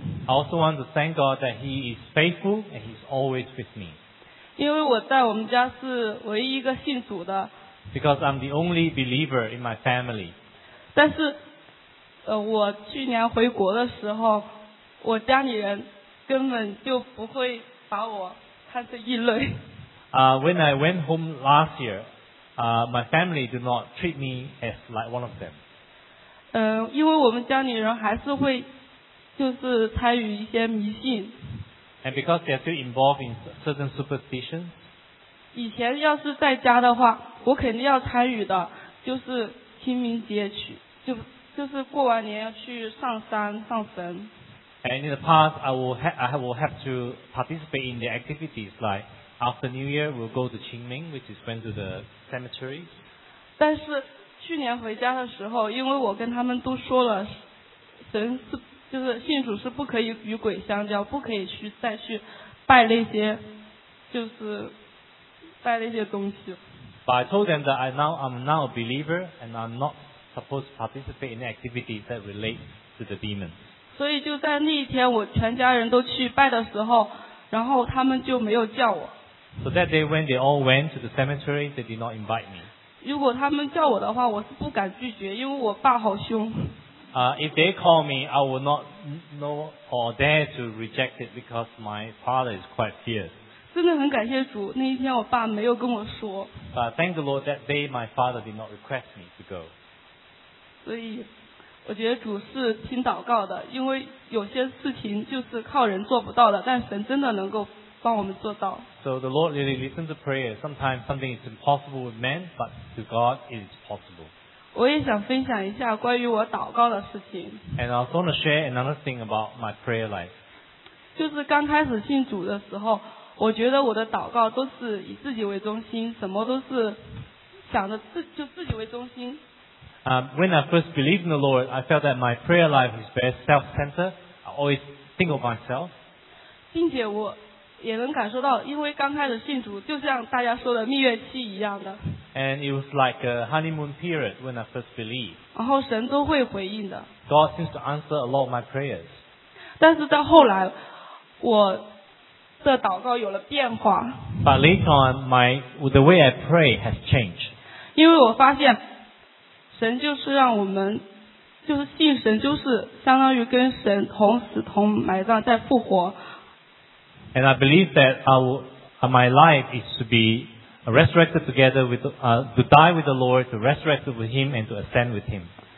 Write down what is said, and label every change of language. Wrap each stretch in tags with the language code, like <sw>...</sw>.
<en>I also want to thank God that He is faithful and He's always with me.</en> <zh>因为我在我们家是唯一一个信主的。</zh> <en>Because I'm the only believer in my family.</en> <zh>但是，我去年回国的时候，我家里人根本就不会把我看成异类。</zh> <en>When I went home last year, my family did not treat me as like one of them.</en> <zh>因为我们家里人还是会就是参与一些迷信。</zh> <en>And because they're still involved in certain superstitions?</en> <zh>以前要是在家的话，我肯定要参与的，就是清明节去，就是过完年要去上山上神。</zh> <en>And in the past, I will have to participate in the activities like after New Year, we'll go to Qingming, which is going to the cemetery.</en> <zh>但是去年回家的时候，因为我跟他们都说了，神是就是信主是不可以与鬼相交，不可以去再去拜那些，就是拜那些东西。</zh> <en>But I told them that I'm now a believer and I'm not supposed to participate in activities that relate to the demons.</en> <zh>所以就在那一天，我全家人都去拜的时候，然后他们就没有叫我。</zh> <en>So that day when they all went to the cemetery, they did not invite me.</en> <zh>如果他们叫我的话，我是不敢拒绝，因为我爸好凶。</zh> <en>If they call me, I will not know or dare to reject it because my father is quite fierce.</en> <zh>真的很感谢主，那一天我爸没有跟我说。</zh> <en>Thank the Lord that day my father did not request me to go.</en> <zh>所以，我觉得主是听祷告的，因为有些事情就是靠人做不到的，但神真的能够。帮我们做到。</zh> <en>So the Lord really listens to prayer. Sometimes something is impossible with men, but to God it is possible.</en> <zh>我也想分享一下关于我祷告的事情。</zh> <en>And I also want to share another thing about my prayer life.</en> <zh>就是刚开始信主的时候，我觉得我的祷告都是以自己为中心，什么都是想着自己为中心。</zh> <en>When I first believed in the Lord, I felt that my prayer life is very self-centered. I always think of myself.</en> <zh>并且我也能感受到，因为刚开始信主，就像大家说的蜜月期一样的。</zh> <en>And it was like a honeymoon period when I first believed.</en> <zh>然后神都会回应的。</zh> <en>God seems to answer a lot of my prayers.</en> <zh>但是在后来，我的祷告有了变化。</zh> <en>But later on, the way I pray has changed.</en> <zh>因为我发现，神就是让我们，就是信神，就是相当于跟神同死同埋葬再复活。</zh> <en>And I believe that my life is to be resurrected together with, to die with the Lord, to resurrect with Him, and to ascend with Him.</en>